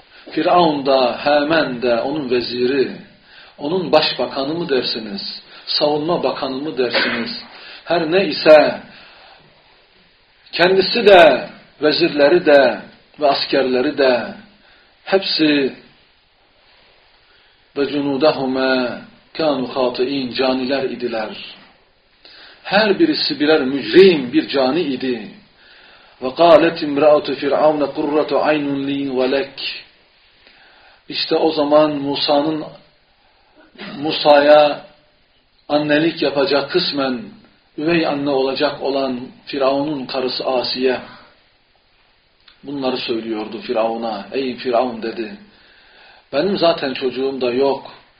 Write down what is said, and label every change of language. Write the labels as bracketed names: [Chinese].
[Turkish] Firavun da Haman da onun veziri, onun başbakanı mı dersiniz, savunma bakanı mı dersiniz, her ne ise kendisi de vezirleri de ve askerleri de hepsi ve [Arabic] cunudahuma kanu hatiin, [Turkish] caniler idiler. Her birisi birer mücrim, bir cani idi. [Arabic] وقالت امرأة فرعون قرة عين لي ولك. [Turkish] İşte o zaman Musa'nın Musa'ya annelik yapacak, kısmen üvey anne olacak olan Firavun'un karısı Asiye bunları söylüyordu Firavun'a. Ey Firavun dedi, benim zaten çocuğum da yok.